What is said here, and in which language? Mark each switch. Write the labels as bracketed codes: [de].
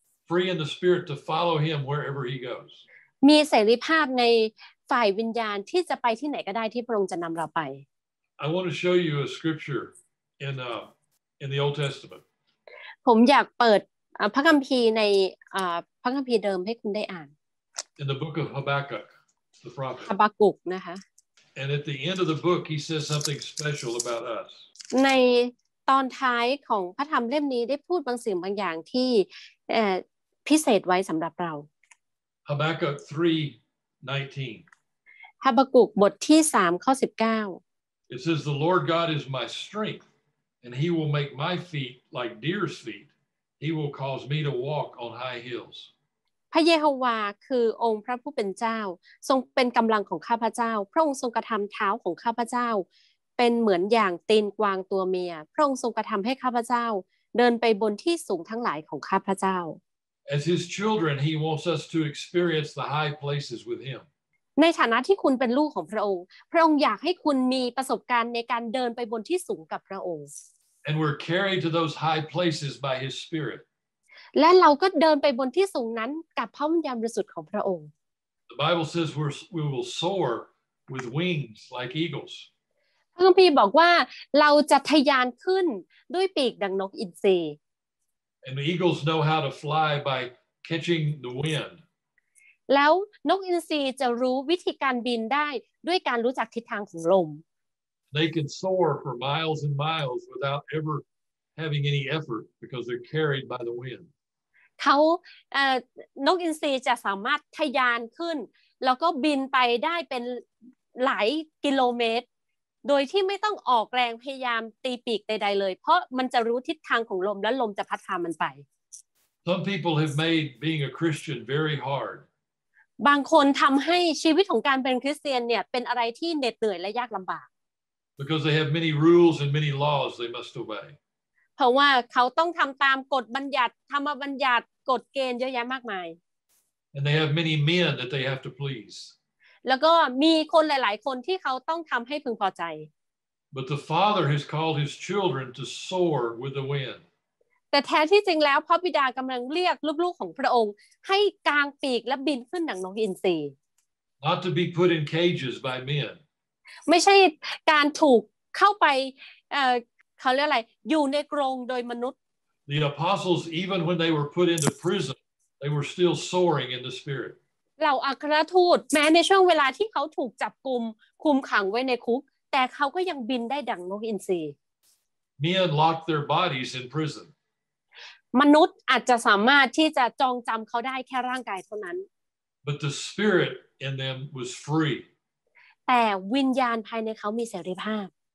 [en] Free in the spirit to follow him wherever he goes. [th] มีเสรีภาพในฝ่ายวิญญาณที่จะไปที่ไหนก็ได้ที่พระองค์จะนำเราไป [en] I want to show you a scripture in the Old Testament. [th] ผมอยากเปิดพระคัมภีร์ในพระคัมภีร์เดิมให้คุณได้อ่าน [en] In the book of Habakkuk, the prophet. [th] Habakkuk นะคะ [en] And at the end of the book, he says something special about us. [th] ในตอนท้ายของพระธรรมเล่มนี้ได้พูดบางสิ่งบางอย่างที่พิเศษไว้สำหรับเรา [en] Habakkuk 3:19 [th] Habakkuk บทที่3ข้อ19 [en] It says the Lord God is my strength and he will make my feet like deer's feet he will cause me to walk on high hills [th] พระเยโฮวาคือองค์พระผู้เป็นเจ้าทรงเป็นกำลังของข้าพเจ้าพระองค์ทรงกระทำเท้าของข้าพเจ้าเป็นเหมือนอย่างตีนกวางตัวเมียพระองค์ทรงกระทำให้ข้าพเจ้าเดินไปบนที่สูงทั้งหลายของข้าพเจ้า [en] As his children he wants us to experience the high places with him [th] ในฐานะที่คุณเป็นลูกของพระองค์พระองค์อยากให้คุณมีประสบการณ์ในการเดินไปบนที่สูงกับพระองค์ [en] And we're carried to those high places by his spirit [th] และเราก็เดินไปบนที่สูงนั้นกับพระวิญญาณบริสุทธิ์ของพระองค์ [en] The Bible says we will soar with wings like eagles [th] พระคัมภีร์บอกว่าเราจะทะยานขึ้นด้วยปีกดังนกอินทรี [en] And the eagles know how to fly by catching the wind [th] แล้วนกอินทรีจะรู้วิธีการบินได้ด้วยการรู้จักทิศทางของลม [en] They can soar for miles and miles without ever having any effort because they're carried by the wind [th] เขานกอินทรีจะสามารถทะยานขึ้นแล้วก็บินไปได้เป็นหลายกิโลเมตรโดยที่ไม่ต้องออกแรงพยายามตีปีกใดๆเลยเพราะมันจะรู้ทิศทางของลมและลมจะพัดพามันไป [en] Some people have made being a Christian very hard. [th] บางคนทำให้ชีวิตของการเป็นคริสเตียนเนี่ยเป็นอะไรที่เหน็ดเหนื่อยและยากลำบาก [en] Because they have many rules and many laws they must obey. [th] เพราะว่าเขาต้องทำตามกฎบัญญัติธรรมบัญญัติกฎเกณฑ์เยอะแยะมากมาย [en] And they have many men that they have to please [th] แล้วก็มีคนหลายๆคนที่เขาต้องทำให้พึงพอใจ [en] But the Father has called his children to soar with the wind [th] แต่แท้ที่จริงแล้วพระบิดากำลังเรียกลูกๆของพระองค์ให้กางปีกและบินขึ้นดังนกอินทรี [en] Not to be put in cages by men [th] ไม่ใช่การถูกเข้าไปเขาเรียกอะไรอยู่ในกรงโดยมนุษย์ [en] The apostles even when they were put into prison they were still soaring in the spirit. [th] เราอัครทูตแม้ในช่วงเวลาที่เขาถูกจับกุมคุมขังไว้ในคุกแต่เขาก็ยังบินได้ดังนกอินทรี [en] Men locked their bodies in prison [th] มนุษย์อาจจะสามารถที่จะจองจำเขาได้แค่ร่างกายเท่านั้น [en] But the spirit in them was free. [th] แต่วิญญาณภายในเขามีเสรีภาพ